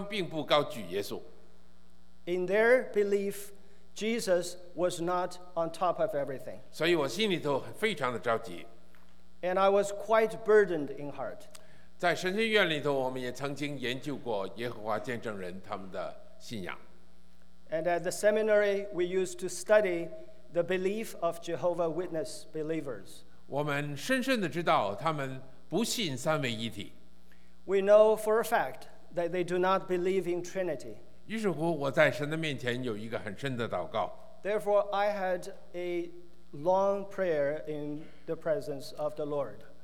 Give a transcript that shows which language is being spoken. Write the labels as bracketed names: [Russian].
[Chinese] 而在他们的信仰当中，他们并不高举耶稣。 [English] In their belief, Jesus was not on top of everything. [Chinese] 所以我心里头非常的着急。 [English] And I was quite burdened in heart. [Chinese] 在神学院里头，我们也曾经研究过耶和华见证人他们的信仰。 [English] And at the seminary, we used to study the belief of Jehovah Witness believers. [Chinese] 我们深深地知道他们不信三位一体。 [English] We know for a fact that they do not believe in Trinity. [Chinese] 于是乎，我在神的面前有一个很深的祷告。 [English] Therefore, I had a long prayer in the presence of the Lord.